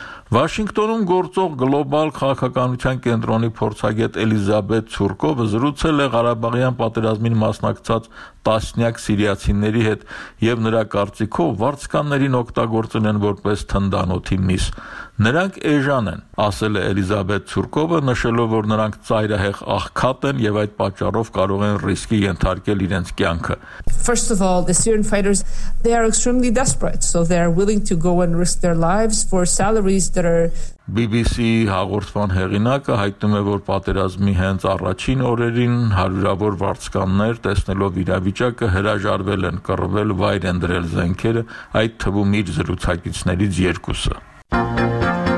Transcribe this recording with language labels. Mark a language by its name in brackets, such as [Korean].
[Armenian] Վաշինգտոնում գործող գլոբալ քաղաքականության կենտրոնի փորձագետ Էլիզաբետ Ցուրկովը զրուցել է Ղարաբաղյան պատերազմին մասնակցած տասնյակ սիրիացիների հետ և նրա կարծիքով վարձկաններին օգտագործել են որպես թնդանոթի միս։ Նրանք էժան են, ասել է Էլիզաբետ Ցուրկովը, նշելով, որ նրանք ծայրահեղ աղքատ են և այդ պատճառով կարող են ռիսկի ենթարկել իրենց կյանքը։ [English] First of all, the Syrian fighters, they are extremely desperate, so they are willing to go and risk their lives for salaries that are… [Armenian] BBC-ի հաղորդման հեղինակը հայտնում է, որ պատերազմի հենց առաջին օրերին հարյուրավոր վարձկաններ, տեսնելով իրավիճակը, հրաժարվել են, կռվել, վայր են դրել զենքերը, այդ թվում իր զրուցակիցներից երկուսը։